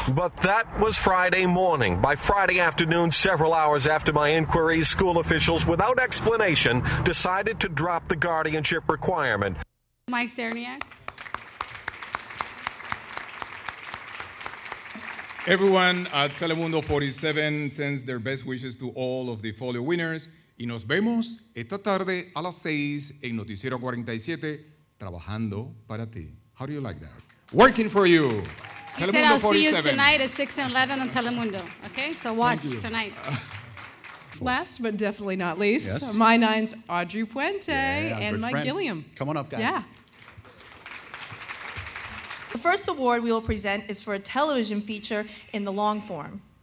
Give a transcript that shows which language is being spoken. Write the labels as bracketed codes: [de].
[en] But that was Friday morning. By Friday afternoon, several hours after my inquiries, school officials, without explanation, decided to drop the guardianship requirement. Mike Serniak. Everyone at Telemundo 47 sends their best wishes to all of the Folio winners. [es] Y nos vemos esta tarde a las 6 en Noticiero 47, trabajando para ti. [en] How do you like that? Working for you. He said, I'll see you tonight at 6 and 11 on Telemundo. Okay? So watch tonight. Last but definitely not least, yes. My nine's Audrey Puente, yeah, and my friend. Gilliam. Come on up, guys. Yeah. The first award we will present is for a television feature in the long form.